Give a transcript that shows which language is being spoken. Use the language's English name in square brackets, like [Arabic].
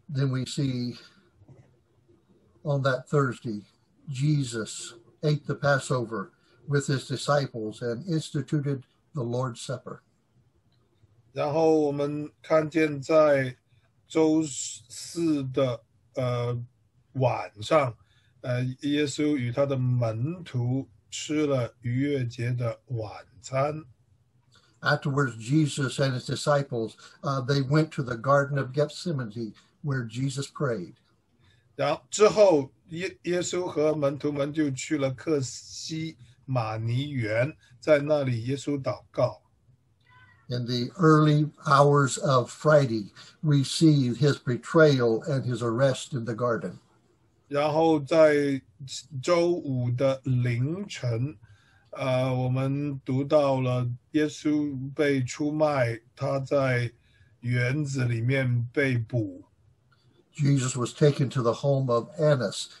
[English] we see on that Thursday, Jesus ate the Passover with his disciples and instituted the Lord's Supper. [Chinese] 然后我们看见在周四的。晚上，耶稣与他的门徒吃了逾越节的晚餐。 [English] Afterwards, Jesus and his disciples, they went to the Garden of Gethsemane where Jesus prayed. [Chinese] 然后之后，耶稣和门徒们就去了克西马尼园，在那里耶稣祷告。 [English] In the early hours of Friday, we see his betrayal and his arrest in the garden. [Chinese] 然后在周五的凌晨, 我们读到了耶稣被出卖, 他在园子里面被捕。 [English] Jesus was taken to the home of Annas.